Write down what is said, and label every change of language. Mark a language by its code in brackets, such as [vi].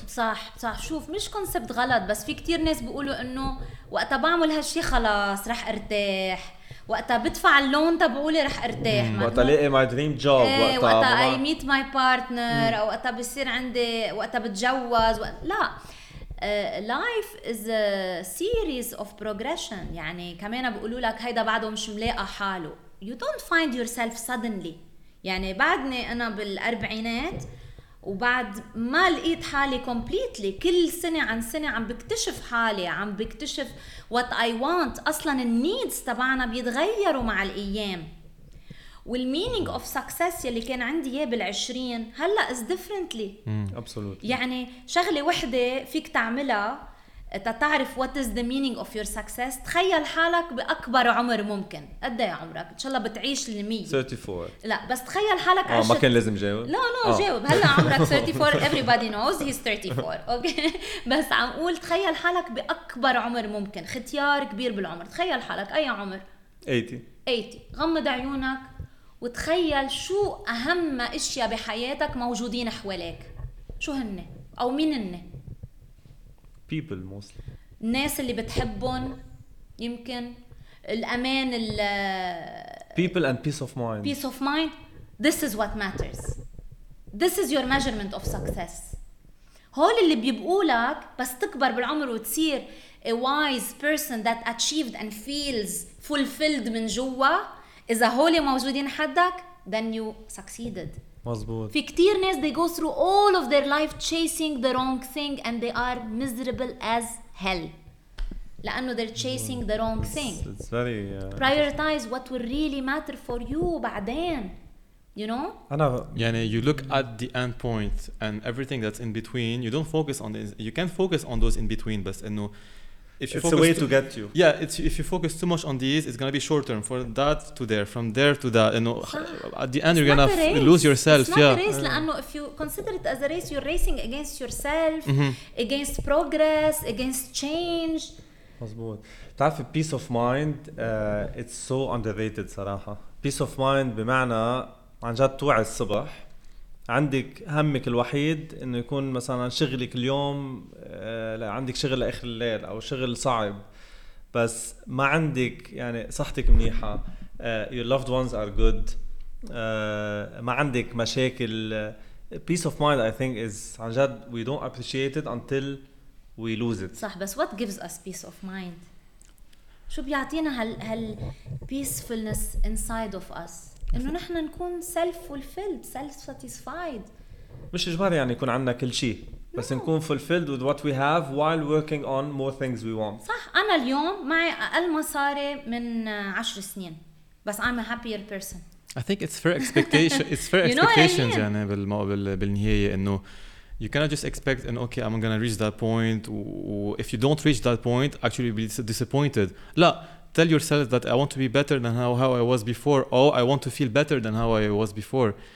[ar] صح صح شوف مش concept غلط بس في كتير ناس بيقولوا إنه وقتها بعمل هالشي خلاص رح ارتاح وقتها بدفع اللون تبعولي رح ارتاح وقتها لقي [en] my dream job [ar] وقتها [en] I meet my partner [ar] أو وقتها بصير عندي وقتها بتجوز لا [en] life is a series of progression. [ar] يعني كمان بقولوا لك هيدا بعده مش ملاقى حاله [en] you don't find yourself suddenly. [ar] يعني بعدني أنا بالأربعينات وبعد ما لقيت حالي completely كل سنة عن سنة عم بكتشف حالي عم بكتشف [en] what I want. [ar] أصلاً النيدز تبعنا بيتغيروا مع الأيام وال [en] meaning of success [ar] يلي كان عندي إياه بالعشرين هلأ [en] is differently. Absolutely. [ar] يعني شغلة وحدة فيك تعملها تتعرف [en] what is the meaning of your success. [ar] تخيل حالك بأكبر عمر ممكن قد ايه عمرك إن شاء الله بتعيش للمية 34 لا بس تخيل حالك عشت ما كان لازم جاوب لا لا جاوب هلأ عمرك 34 [en] everybody knows he's 34 okay. [ar] بس عم قول تخيل حالك بأكبر عمر ممكن ختيار كبير بالعمر تخيل حالك أي عمر 80 غمض عيونك وتخيل شو أهم إشياء بحياتك موجودين حواليك شو هن أو مين هن [en] people mostly. [ar] الناس اللي بتحبهم يمكن الأمان ال [en] people and peace of mind. Peace of mind. This is what matters. This is your measurement of success. [ar] هول اللي بيبقولك بس تكبر بالعمر وتصير [en] a wise person that achieved and feels fulfilled [ar] من جوا إذا هول موجودين حدك [en] then you succeeded. [ar] مزبوط. في كتير ناس [en] they go through all of their life chasing the wrong thing and they are miserable as hell لأنه they're chasing the wrong thing. It's very prioritize what will really matter for you بعدين you know [ar] أنا [en] يعني you look at the end point and everything that's in between you don't focus on the you can't focus on those in between [ar] بس إنه [en] if you it's focus a way to get you yeah it's if you focus too much on these it's gonna be short term for that to there from there to that you know at the end it's you're gonna lose yourself it's not a race لأنه if you consider it as a race you're racing against yourself against progress against change [ar] مزبوط تعرف peace of mind [en] it's so underrated [ar] صراحة peace of mind بمعنى عن جد توعي الصبح عندك همك الوحيد انه يكون مثلا شغلك اليوم عندك شغل لاخر الليل او شغل صعب بس ما عندك يعني صحتك منيحه [en] your loved ones are good [ar] ما عندك مشاكل peace of mind [en] I think is [ar] عن جد [en] we don't appreciate it until we lose it صح بس what gives us peace of mind [ar] شو بيعطينا هال [en] peacefulness inside of us [ar] إنه نحن نكون [en] self-fulfilled, self-satisfied. [ar] مش إجباري يعني يكون عندنا كل شيء. بس no. [en] نكون fulfilled with what we have while working on more things we want. [ar] صح أنا اليوم معي أقل مصاري من 10 سنين. [en] بس I'm a happier person. I think it's fair expectation. It's fair expectations [ar] يعني بالنهاية إنه [en] you cannot just expect and okay I'm gonna reach that point. If you don't reach that point, actually be disappointed. [ar] لا. [en] Tell yourself that I want to be better than how I was before. Oh, I want to feel better than how I was before.